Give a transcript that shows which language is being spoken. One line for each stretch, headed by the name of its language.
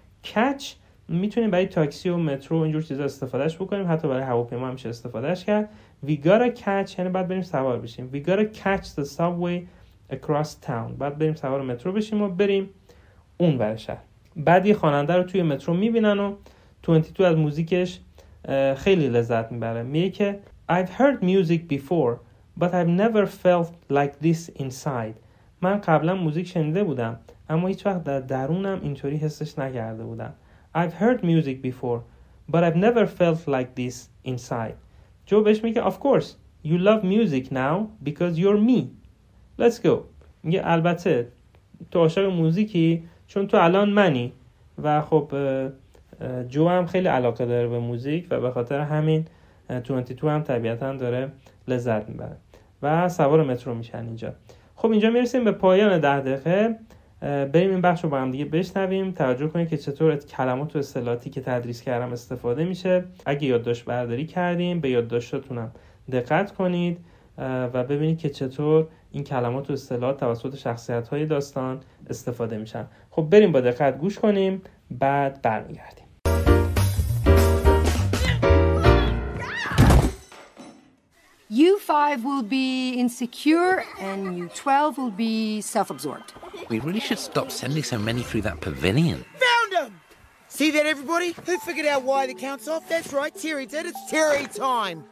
Persian: catch میتونیم برای تاکسی و مترو اینجور چیزا استفادهش بکنیم، حتی برای هواپیما هم میشه استفادهش کرد.
English: we gotta catch یعنی بعد بریم سوار بشیم. we gotta catch the subway across town،
Persian: بعد بریم سوار مترو بشیم و بریم اون ور شهر. بعد یه خواننده رو توی مترو میبینن و 22 از موزیکش خیلی لذت میبره. میگه که
English: I've heard music before but I've never felt like this inside.
Persian: من قبلا موزیک شنیده بودم اما هیچ وقت در درونم اینطوری حسش نکرده بودم.
English: I've heard music before but I've never felt like this inside.
Persian: جو بهش میگه
English: of course you love music now because you're me. Let's go.
Persian: میگه البته تو عاشق موزیکی چون تو الان منی. و خب جو هم خیلی علاقه داره به موزیک و به خاطر همین 22 هم طبیعتاً داره لذت میبره و سوار مترو میشن اینجا. خب اینجا میرسیم به پایان 10 دقیقه. بریم این بخش رو با هم دیگه بشنویم، توجه کنیم که چطور کلمات و اصطلاحاتی که تدریس کردم استفاده میشه. اگه یادداشت برداری کردیم به یادداشتاتونم دقت کنید و ببینید که چطور این کلمات و اصطلاحات توسط شخصیت‌های داستان استفاده میشن. خب بریم با دقت گوش کنیم بعد برمیگردیم.
English: You five will be insecure, and you 12 will be self-absorbed. We really should stop sending so many through that pavilion. Found them! See that, everybody? Who figured out why the count's off? That's right, Terry did. It's Terry time!